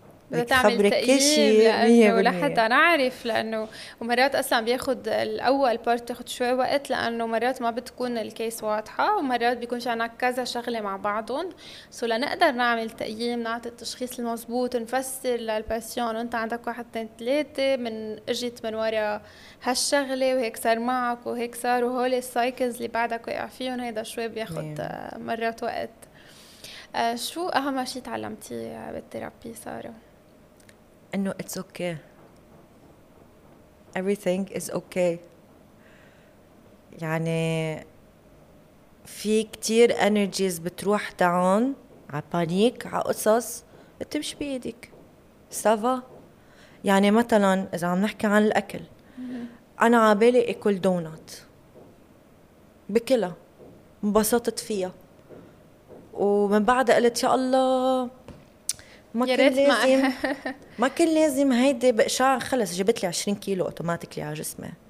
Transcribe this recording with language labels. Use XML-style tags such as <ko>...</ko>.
<ar>بتعمل كل شيء ولحتى نعرف لانه ومرات اصلا بياخذ الاول بارت تاخذ شوي وقت لانه مرات ما بتكون الكيس واضحه ومرات بيكونش عندك كذا شغله مع بعضهم سو لنقدر نعمل تقييم نعطي التشخيص المزبوط نفسر للباسيون انت عندك واحد اثنين ثلاثه من اجت من ورا هالشغله وهيك صار معك وهيك صار وهول السايكلز اللي بعدك وقع فيهم هيدا شوي بياخذ مرات وقت. شو اهم شيء تعلمتي بالثيرابي ساره؟ انه</ar> <en>it's okay everything is okay.</en> <ar>يعني في كتير energies بتروح down على panic على قصص بتمشي بايدك سافا. يعني مثلا اذا عم نحكي عن الاكل انا عبالي اكل دونات بكلها مبسطت فيها ومن بعد قلت يا الله ما كان لازم ما كان لازم هيدا بقشاع خلص جبت لي 20 كيلو اوتوماتيكلي على جسمي.</ar>